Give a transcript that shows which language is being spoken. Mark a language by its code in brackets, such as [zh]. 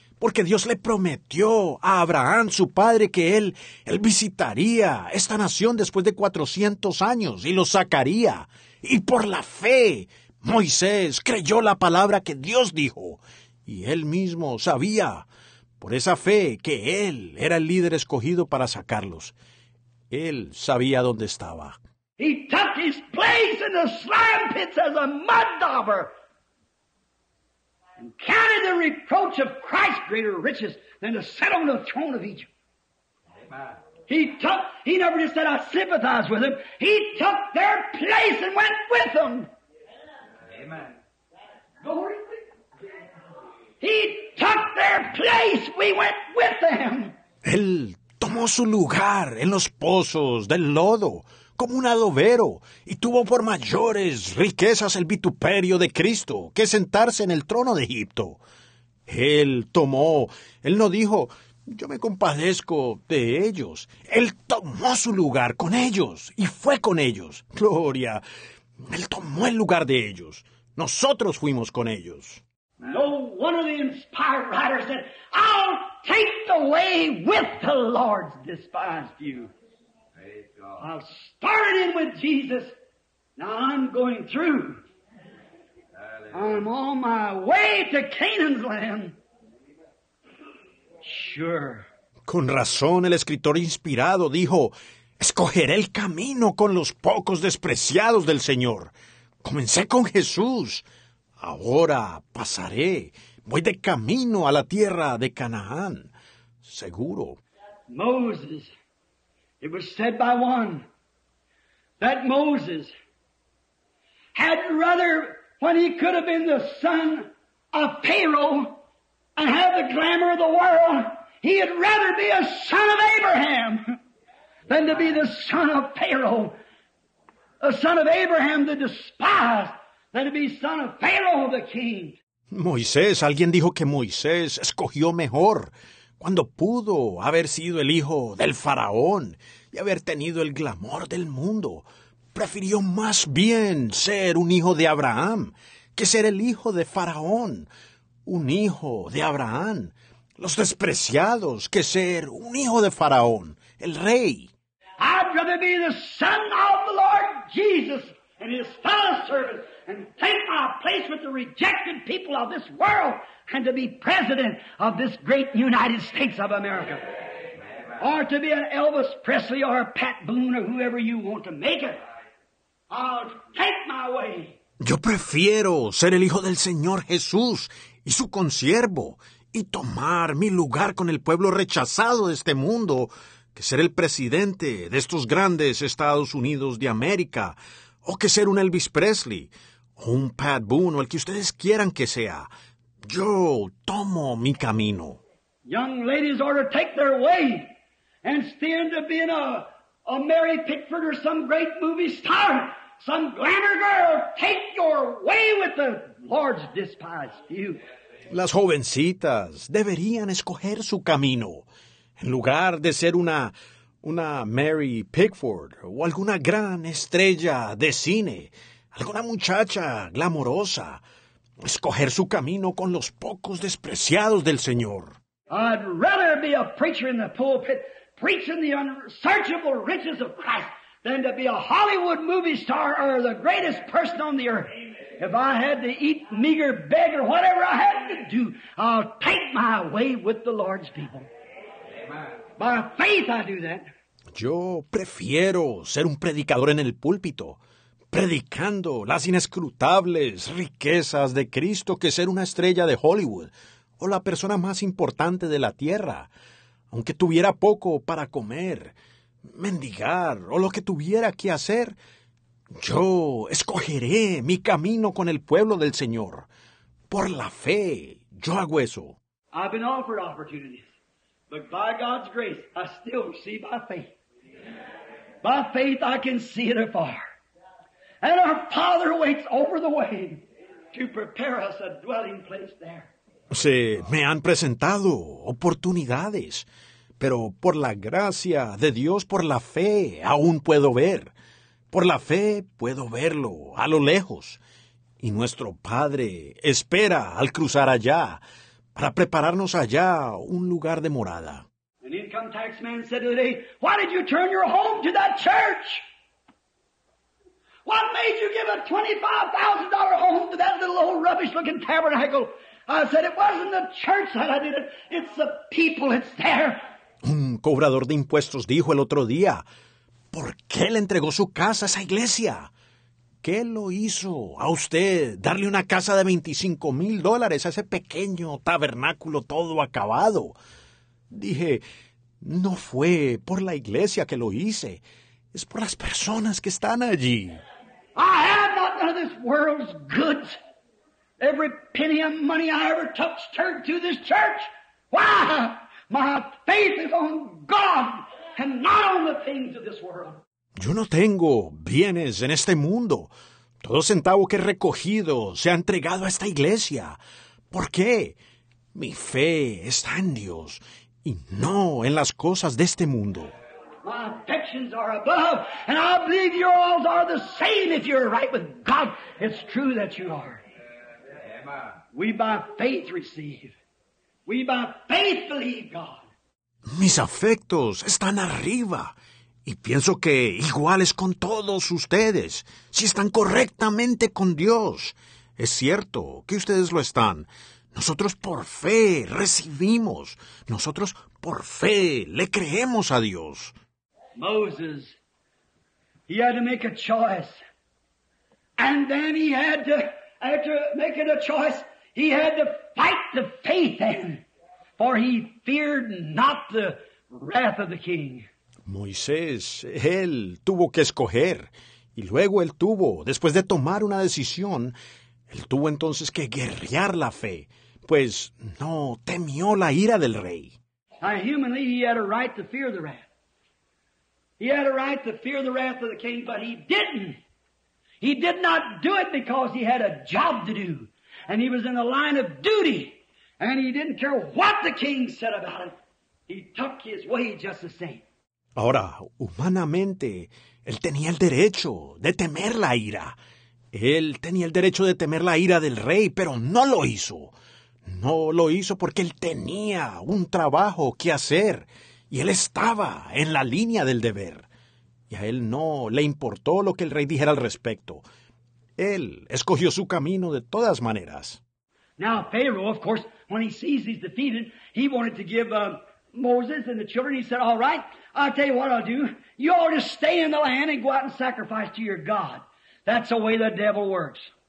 [es] Porque Dios le prometió a Abraham, su padre, que él visitaría esta nación después de 400 años y lo sacaría. Y por la fe, Moisés creyó la palabra que Dios dijo. Y él mismo sabía, por esa fe, que él era el líder escogido para sacarlos. Él sabía dónde estaba. [en] He took his place in the slime pits as a mud dauber. And counted the reproach of Christ greater riches than to sit on the throne of Egypt. He never just said, I sympathize with him. He took their place and went with them. Amen. Glory to God. He took their place. We went with them. [es] Él tomó su lugar en los pozos del lodo como un adobero, y tuvo por mayores riquezas el vituperio de Cristo que sentarse en el trono de Egipto. Él no dijo, yo me compadezco de ellos. Él tomó su lugar con ellos y fue con ellos. Gloria, Él tomó el lugar de ellos. Nosotros fuimos con ellos. [en] No one of the inspired writers said, I'll take the way with the Lord's despised you. I started in with Jesus. Now I'm going through. I'm on my way to Canaan's land. Sure. [es] Con razón, el escritor inspirado dijo, escogeré el camino con los pocos despreciados del Señor. Comencé con Jesús. Ahora pasaré. Voy de camino a la tierra de Canaán. Seguro. [en] Moses. It was said by one that Moses had rather, when he could have been the son of Pharaoh and had the glamour of the world, he had rather be a son of Abraham than to be the son of Pharaoh. A son of Abraham, the despised, than to be son of Pharaoh, the king. [es] Moisés, alguien dijo que Moisés escogió mejor cuando pudo haber sido el hijo del faraón y haber tenido el glamour del mundo. Prefirió más bien ser un hijo de Abraham que ser el hijo de faraón, un hijo de Abraham, los despreciados, que ser un hijo de faraón, el rey. [en] I'd rather be the son of the Lord Jesus and his fellow servant and take my place with the rejected people of this world and to be president of this great United States of America. Or to be an Elvis Presley or a Pat Boone or whoever you want to make it. I'll take my way. [es] Yo prefiero ser el hijo del Señor Jesús y su consiervo y tomar mi lugar con el pueblo rechazado de este mundo que ser el presidente de estos grandes Estados Unidos de América, o que ser un Elvis Presley o un Pat Boone o el que ustedes quieran que sea. Yo tomo mi camino. [en] Young ladies ought to take their way. And stand to be a Mary Pickford or some great movie star, some glamour girl, take your way with the Lord's despised few. [es] Las jovencitas deberían escoger su camino. En lugar de ser una Mary Pickford o alguna gran estrella de cine, alguna muchacha glamorosa, escoger su camino con los pocos despreciados del Señor. [en] I'd rather be a preacher in the pulpit preaching the unsearchable riches of Christ than to be a Hollywood movie star or the greatest person on the earth. If I had to eat meager, beg, or whatever I had to do, I'll take my way with the Lord's people. By faith I do that. [es] Yo prefiero ser un predicador en el púlpito, predicando las inescrutables riquezas de Cristo, que ser una estrella de Hollywood o la persona más importante de la tierra. Aunque tuviera poco para comer, mendigar o lo que tuviera que hacer, yo escogeré mi camino con el pueblo del Señor. Por la fe, yo hago eso. [en] I've been offered opportunities, but by God's grace, I still see by faith. By faith, I can see it afar. And our Father waits over the way to prepare us a dwelling place there. [es] Se me han presentado oportunidades, pero por la gracia de Dios, por la fe, aún puedo ver. Por la fe puedo verlo a lo lejos. Y nuestro Padre espera al cruzar allá para prepararnos allá un lugar de morada. [en] An income tax man said today, "Why did you turn your home to that church? What made you give a $25,000 home to that little old rubbish-looking tabernacle?" I said, "It wasn't the church that I did it. It's the people that's there." [es] Un cobrador de impuestos dijo el otro día, "¿Por qué le entregó su casa a esa iglesia? ¿Qué lo hizo a usted darle una casa de $25,000 a ese pequeño tabernáculo todo acabado?" Dije, "No fue por la iglesia que lo hice. Es por las personas que están allí." [en] I have not none of this world's goods. Every penny of money I ever touched turned to this church. Why? My faith is on God and not on the things of this world. [es] Yo no tengo bienes en este mundo. Todo centavo que he recogido se ha entregado a esta iglesia. ¿Por qué? Mi fe está en Dios y no en las cosas de este mundo. [en] My affections are above, and I believe yours are the same. If you're right with God, it's true that you are. We by faith receive. We by faith believe God. [es] Mis afectos están arriba, y pienso que igual es con todos ustedes. Si están correctamente con Dios, es cierto que ustedes lo están. Nosotros por fe recibimos. Nosotros por fe le creemos a Dios. [en] Moses, he had to make a choice, and then he had to, after making a choice, he had to fight the faith then, for he feared not the wrath of the king. [es] Moisés, él tuvo que escoger, y luego él tuvo, después de tomar una decisión, él tuvo entonces que guerrear la fe, pues no temió la ira del rey. [en] Now, humanly, he had a right to fear the wrath. He had a right to fear the wrath of the king, but he didn't. He did not do it because he had a job to do. And he was in the line of duty. And he didn't care what the king said about it. He took his way just the same. [es] Ahora, humanamente, él tenía el derecho de temer la ira. Él tenía el derecho de temer la ira del rey, pero no lo hizo. No lo hizo porque él tenía un trabajo que hacer. Y él estaba en la línea del deber. Y a él no le importó lo que el rey dijera al respecto. Él escogió su camino de todas maneras. [en] Now Pharaoh, of course, when he sees he's defeated, he wanted to give Moses and the children. He said, "All right, I'll tell you what I'll do. You ought to stay in the land and go out and sacrifice to your God. That's the way the devil works."